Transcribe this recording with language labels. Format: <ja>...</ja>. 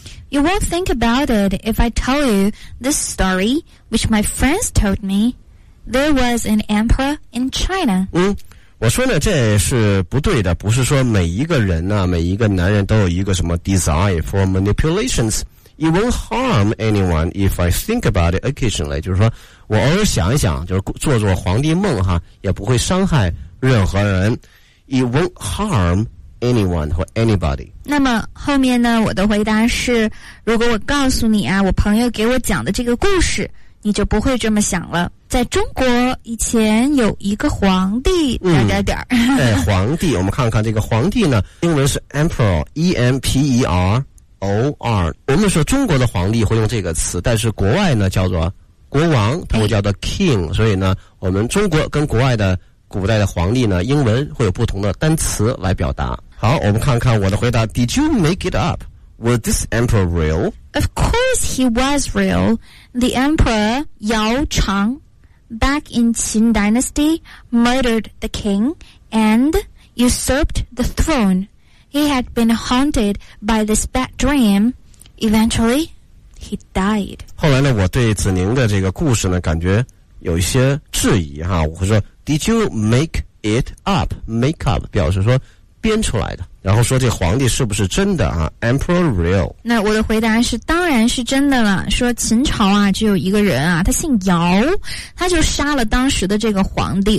<en>You won't think about it if I tell you this story, which my friends told me. There was an emperor in China.</en> <zh>我说呢，这是不对的，不是说每一个人啊，每一个男人都有一个什么</zh> <en>desire for manipulations. You won't harm anyone if I think about it occasionally.</en> <zh>就是说，我偶尔想一想，就是做做皇帝梦哈，也不会伤害任何人。</zh> <en>It won't harm anyone or anybody.</en> <zh>那么后面呢，我的回答是，如果我告诉你啊，我朋友给我讲的这个故事你就不会这么想了。在中国以前有一个皇帝，皇帝，我们看看这个皇帝呢，英文是 emperor，E-M-P-E-R-O-R。我们说中国的皇帝会用这个词，但是国外呢叫做国王，他会叫做 king。所以呢，我们中国跟国外的古代的皇帝呢，英文会有不同的单词来表达。好，我们看看我的回答</zh> <en>，Did you make it up？ Was this emperor real? Of course he was real. The emperor Yao Chang, back in Qin Dynasty, murdered the king and usurped the throne. He had been haunted by this bad dream. Eventually, he died.</en> <zh>后来呢，我对子宁的这个故事呢，感觉有一些质疑哈。我说 ，</zh> <en>Did you make it up?</en> <zh>Make up 表示说编出来的。然后说这皇帝是不是真的啊 ？</zh> <en>Emperor real？</en> <zh>那我的回答是，当然是真的了。说秦朝啊，只有一个人啊，他姓姚，他就杀了当时的这个皇帝。</zh>